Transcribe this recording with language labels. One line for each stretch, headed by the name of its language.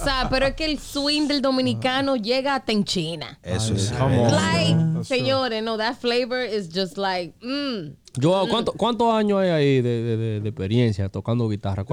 Spanish: Pero es que el swing del dominicano llega hasta en China. Eso es.
English: Come on. Like, señores, no, that flavor is just like,
Spanish: Joao, ¿cuántos años hay ahí de experiencia tocando guitarra?